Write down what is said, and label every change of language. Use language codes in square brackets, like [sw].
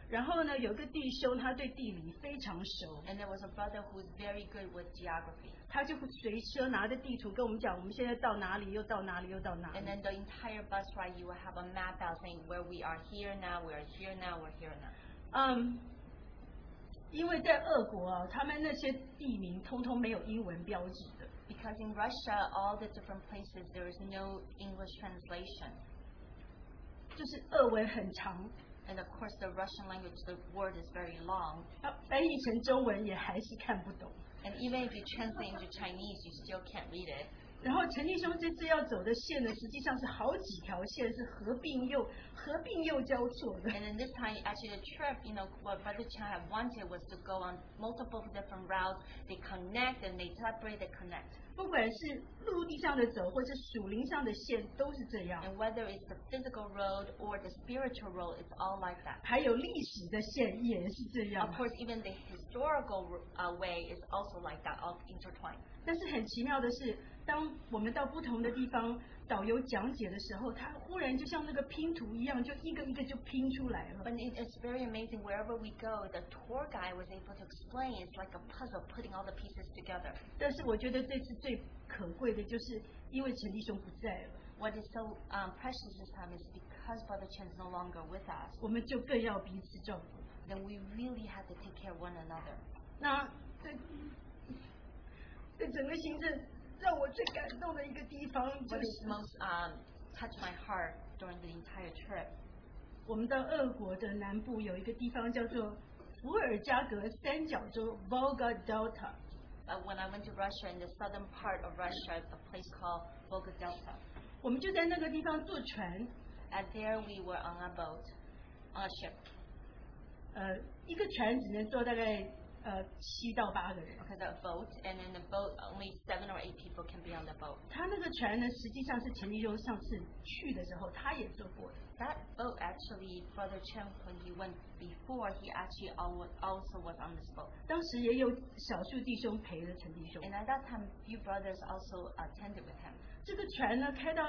[zh] 然后呢，有个弟兄他对地理非常熟。 [en] And there was a brother who's very good with geography. [zh] 他就随车拿着地图跟我们讲，我们现在到哪里，又到哪里，又到哪里。 [en] And then the entire bus ride, you will have a map out saying where we are here now, we are here now, we're here now. [zh] 因为在俄国啊，他们那些地名通通没有英文标志的。 [en] Because in Russia, all the different places there is no English translation. [zh] 就是俄文很长。 [en] And of course, the Russian language, the word is very long. [zh] 翻译成中文也还是看不懂。 [en] And even if you translate into Chinese, you still can't read it. [zh] 然后陈弟兄这次要走的线呢，实际上是好几条线，是合并又交错的。 [en] And then this time, actually the trip, you know, what Brother Chen had wanted was to go on multiple different routes. They connect and they separate, they connect. [zh] 不管是陆地上的走，或是属灵上的线，都是这样。 [en] And whether it's the physical road or the spiritual road, it's all like that. [zh] 还有历史的线也是这样。 [en] Of course, even the historical way is also like that, all intertwined. [zh] 但是很奇妙的是，当我们到不同的地方。导游讲解的时候，他忽然就像那个拼图一样，就一个一个就拼出来了。 [en] But it's very amazing. Wherever we go, the tour guide was able to explain. It's like a puzzle, putting all the pieces together. [zh] 但是我觉得这次最可贵的就是因为陈弟兄不在了。 [en] What is so precious this time is because Brother Chen is no longer with us. [zh] 我们就更要彼此照顾。 [en] Then we really have to take care of one another. [zh] 那这整个行程。让我最感动的一个地方就是 [en] touched my heart during the entire trip. [zh] 我们到俄国的南部有一个地方叫做 [en] Volga Delta. But when I went to Russia, in the southern part of Russia, a place called Volga Delta. [zh] 我们就在那个地方坐船, [en] and there we were on a boat, on a ship. [zh] 一个船只能坐大概七到八个人. [en] Okay, the boat, and in the boat, only 7 or 8 people can be on the boat. [zh] 他那个船呢，实际上是陈立忠上次去的时候，他也坐过的. [en] That boat actually, Brother Chen, when he went before, he actually also was on this boat. [zh] 当时也有少数弟兄陪了陈弟兄. [en] And at that time, a few brothers also attended with him.